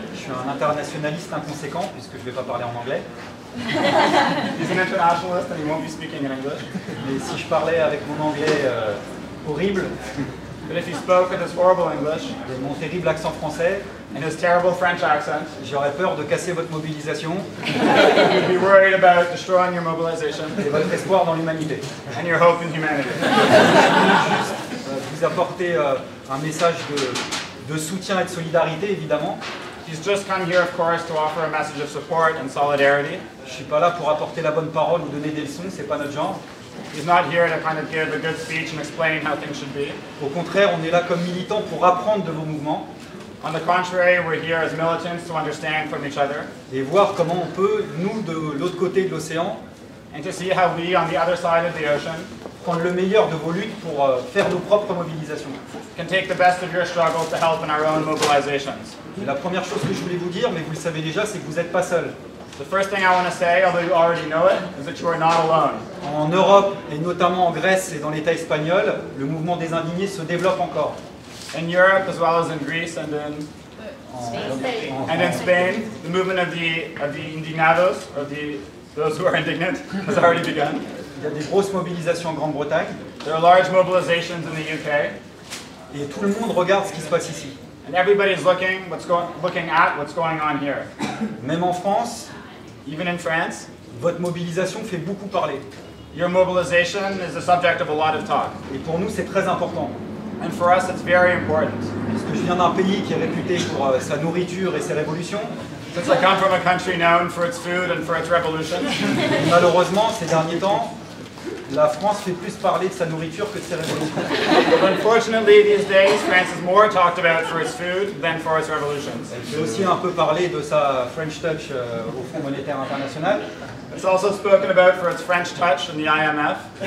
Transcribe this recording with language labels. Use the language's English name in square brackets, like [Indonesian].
[French] Je suis un internationaliste inconséquent puisque je ne vais pas parler en anglais. [English] He's an internationalist and he won't be speaking in English. [French] Mais si je parlais avec mon anglais horrible, [English] but if he spoke with his horrible English, [French] et mon terrible accent français, [English] and his terrible French accent, [French] j'aurais peur de casser votre mobilisation. [English] You'd be worried about destroying your mobilization. [French] Et votre espoir dans l'humanité. [English] And your hope in humanity. [French] Apporter un message de soutien et de solidarité, évidemment. [English] He's just come here, of course, to offer a message of support and solidarity. [French] Je suis pas là pour apporter la bonne parole ou donner des leçons, c'est pas notre genre. [English] He's not here to kind of give a good speech and explain how things should be. [French] Au contraire, on est là comme militants pour apprendre de vos mouvements. [English] On the contrary, we're here as militants to understand from each other. [French] Et voir comment on peut, nous, de l'autre côté de l'océan, [English] and to see how we, on the other side of the ocean, [French] prendre le meilleur de vos luttes pour faire nos propres mobilisations. [English] Can take the best of your struggles to help in our own mobilizations. [French] Et la première chose que je voulais vous dire, mais vous le savez déjà, c'est que vous n'êtes pas seul. [English] The first thing I want to say, although you already know it, is that you are not alone. [French] En Europe, et notamment en Grèce et dans l'État espagnol, le mouvement des indignés se développe encore. [English] In Europe, as well as in Greece and in Spain. And in Spain, the movement of the indignados, of the those who are indignant, has already begun. [French] Il y a des grosses mobilisations en Grande-Bretagne. [English] There are large mobilizations in the UK. [French] Et tout le monde regarde ce qui se passe ici. [English] And everybody is looking at what's going on here. [French] Même en France, [English] even in France, [French] votre mobilisation fait beaucoup parler. [English] Your mobilization is the subject of a lot of talk. [French] Et pour nous, c'est très important. [English] And for us, it's very important. [French] Parce que je viens d'un pays qui est réputé pour sa nourriture et ses révolutions. [English] Since I come from a country known for its food and for its revolution. [French] Malheureusement, ces derniers temps, la France fait plus parler de sa nourriture que de ses révolutions. [English] But unfortunately, these days, France is more talked about for its food than for its revolutions. [French] Elle fait aussi un peu parler de sa French touch au Fonds monétaire international. [English] It's also spoken about for its French touch in the IMF.